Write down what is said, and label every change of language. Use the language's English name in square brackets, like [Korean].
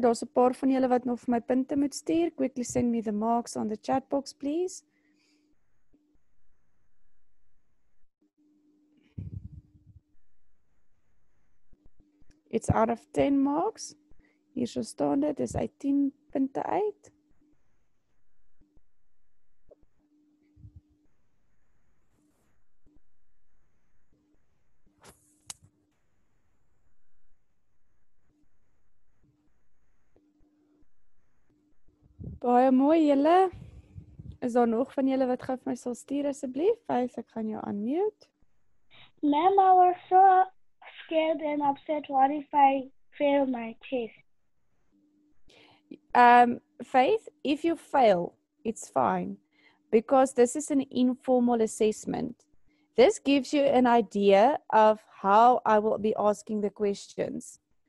[Afrikaans] Daar's 'n paar van julle wat nog vir my punte moet stuur. [English] Quickly send me the marks on the chat box, please. It's out of 10 marks. [Afrikaans] Hier so staan dit, is uit 10 punte uit. Baie mooi julle. Is daar nog van julle wat gaan vir my sal stuur asseblief? Wys, ek gaan jou unmute. [English] Mama was so scared and upset what if I fail my test. Faith, if you fail, it's fine. Because this is an informal assessment. This gives you an idea of how I will be asking the questions.